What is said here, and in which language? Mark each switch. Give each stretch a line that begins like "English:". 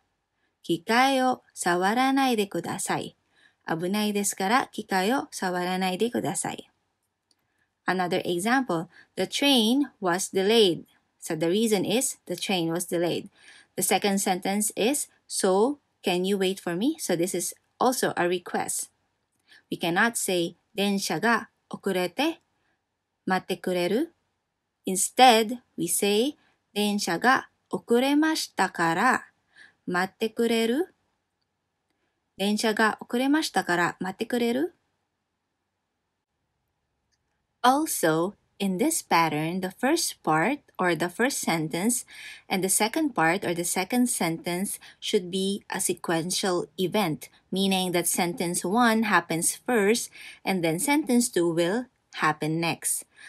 Japanese: 危ないですから機械を触らないでください.危ないですから機械を触らないでください.
English: Another example, the train was delayed. So the reason is the train was delayed. The second sentence is, so can you wait for me? So this is also a request. We cannot say
Japanese: 電車が遅れて待ってくれる.
English: Instead, we say
Japanese: 電車が遅れましたから待ってくれる？電車が遅れましたから待ってくれる？
English: Also, in this pattern, the first part or the first sentence and the second part or the second sentence should be a sequential event, meaning that sentence one happens first and then sentence two will happen next.